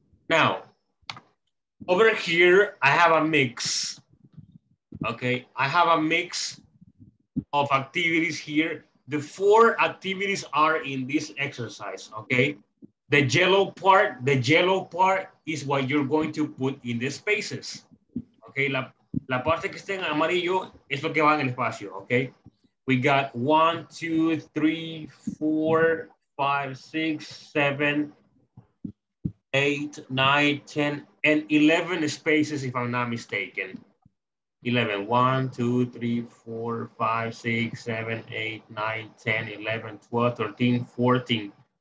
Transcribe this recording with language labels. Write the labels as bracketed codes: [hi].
[en] Now, over here, I have a mix. Okay, I have a mix of activities here. The four activities are in this exercise, okay? The yellow part is what you're going to put in the spaces. [es] Okay, la parte que está en amarillo es lo que va en el espacio, okay? [en] We got 1, 2, 3, 4, 5, 6, 7, 8, 9, 10, and 11 spaces, if I'm not mistaken. 11, 1, 2, 3, 4, 5, 6, 7, 8, 9, 10, 11, 12, 13, 14.